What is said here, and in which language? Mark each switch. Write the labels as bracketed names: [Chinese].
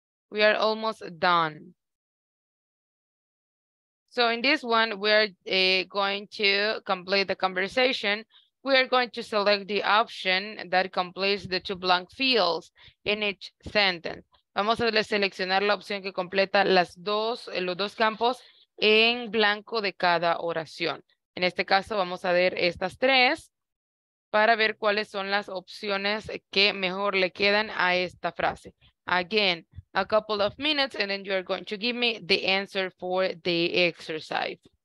[English] We are almost done. So in this one, we're going to complete the conversation. We are going to select the option that completes the two blank fields in each sentence. [Spanish] Vamos a seleccionar la opción que completa las dos, los dos campos en blanco de cada oración. En este caso, vamos a ver estas tres para ver cuáles son las opciones que mejor le quedan a esta frase. [English] Again, a couple of minutes, and then you are going to give me the answer for the exercise.